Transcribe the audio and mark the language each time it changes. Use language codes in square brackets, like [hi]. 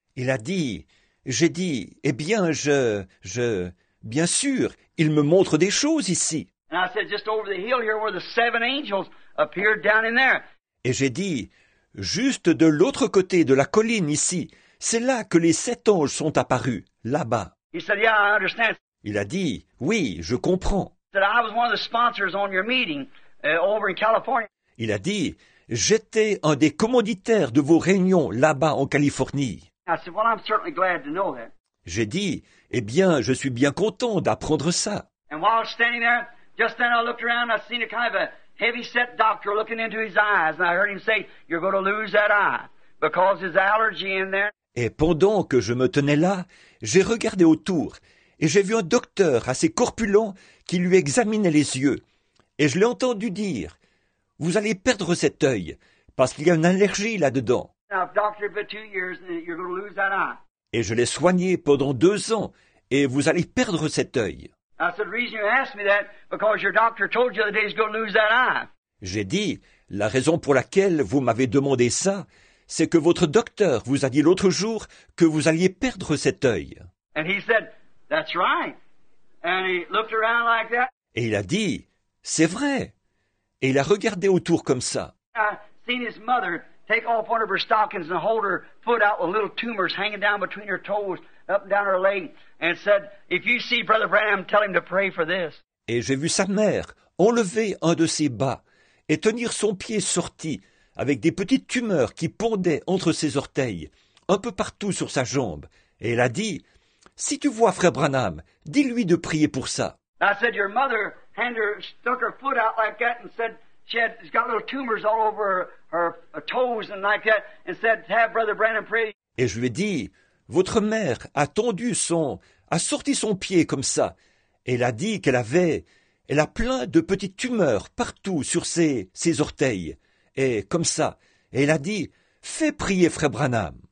[fr] Il a dit, j'ai dit, eh bien, je, bien sûr, il me montre des choses ici. [en] And I said, just over the hill here where the seven angels appeared down in there. [fr] Et j'ai dit, juste de l'autre côté de la colline ici, c'est là que les sept anges sont apparus, là-bas. [en] He said, yeah, I understand. [fr] Il a dit, oui, je comprends. [en] He said, I was one of the sponsors on your meeting over in California. [fr] Il a dit, j'étais un des commanditaires de vos réunions là-bas en Californie. [en] I said, well, I'm certainly glad to know that. [fr] J'ai dit, eh bien, je suis bien content d'apprendre ça. [en] And while I was standing there, just then I looked around and I seen a kind of a heavy-set doctor looking into his eyes. And I heard him say, you're going to lose that eye because his allergy in there. [fr] Et pendant que je me tenais là, j'ai regardé autour et j'ai vu un docteur assez corpulent qui lui examinait les yeux. Et je l'ai entendu dire, vous allez perdre cet œil parce qu'il y a une allergie là-dedans. [en] Now, I've doctored for 2 years and you're going to lose that eye. [fr] Et je l'ai soigné pendant 2 ans et vous allez perdre cet œil. [en] I said, the reason you asked me that, because your doctor told you that he's going to lose that eye. [fr] J'ai dit, la raison pour laquelle vous m'avez demandé ça, c'est que votre docteur vous a dit l'autre jour que vous alliez perdre cet œil. [en] And he said, that's right. And he looked around like that. [fr] Et il a dit, c'est vrai. Et il a regardé autour comme ça. [en] I seen his mother take off one of her stockings and hold her foot out with little tumors hanging down between her toes. Up and down her leg, and said, "If you see Brother Branham, tell him to pray for this." [fr] Et j'ai vu sa mère enlever un de ses bas et tenir son pied sorti avec des petites tumeurs qui pendaient entre ses orteils, un peu partout sur sa jambe. Et elle a dit, "Si tu vois Frère Branham, dis-lui de prier pour ça." [en] I said, "Your mother stuck her foot out like that and said she's got little tumors all over her toes and like that, and said to have Brother Branham pray." [fr] Et je lui ai dit. Votre mère a tendu son, a sorti son pied comme ça. Elle a dit qu'elle avait, elle a plein de petites tumeurs partout sur ses orteils. Et comme ça, elle a dit, fais prier Frère Branham.